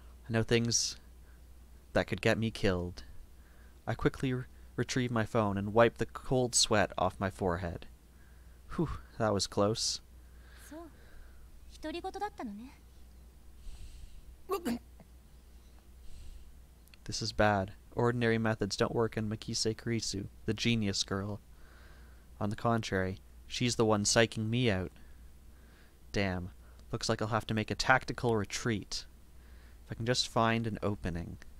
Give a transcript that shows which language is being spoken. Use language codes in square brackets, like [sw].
[en] I know things that could get me killed. I quickly retrieve my phone and wipe the cold sweat off my forehead. Whew, that was close. [ja] So, 独り言だったのね. [en] This is bad. Ordinary methods don't work in Makise Kurisu, the genius girl. On the contrary, she's the one psyching me out. Damn, looks like I'll have to make a tactical retreat. If I can just find an opening.